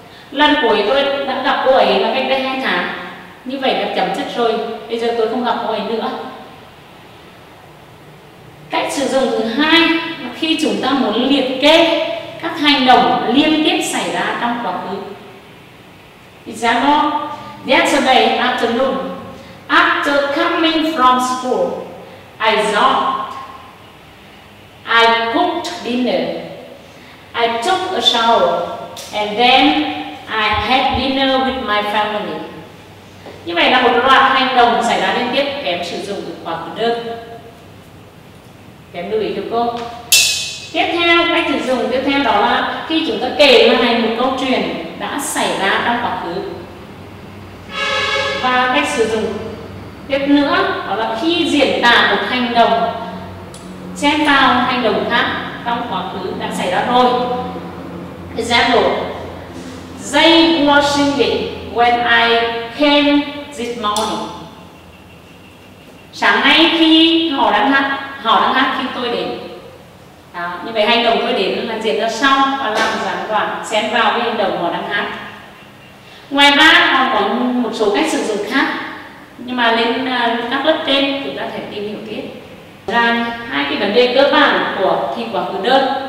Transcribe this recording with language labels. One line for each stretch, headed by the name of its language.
Vietnamese: Lần cuối tôi đã gặp cô ấy là cách đây 2 tháng. Như vậy đã chấm dứt rồi, bây giờ tôi không gặp cô ấy nữa. Cách sử dụng thứ hai là khi chúng ta muốn liệt kê các hành động liên tiếp xảy ra trong quá khứ.
English: Example, yesterday afternoon, after coming from school, I thought, I cooked dinner, I took a shower, and then I had dinner with my family.
Vietnamese: Như vậy là một loạt hành động xảy ra liên tiếp kém sử dụng từ quá khứ đơn. Kém lưu ý cho cô. Tiếp theo, cách sử dụng tiếp theo đó là khi chúng ta kể lại một câu chuyện đã xảy ra trong quá khứ. Và cách sử dụng tiếp nữa đó là khi diễn tả một hành động xen vào hành động khác trong quá khứ đã xảy ra rồi.
English: Example, they were singing when I came this morning.
Vietnamese: Sáng nay khi họ đang hát khi tôi đến. À, như vậy hành động tôi đến là diễn ra sau và làm gián đoạn xen vào với hành động họ đang hát. Ngoài ra còn có một số cách sử dụng khác nhưng mà lên các lớp trên chúng ta sẽ tìm hiểu tiếp. Ra hai cái vấn đề cơ bản của thị quả cực đơn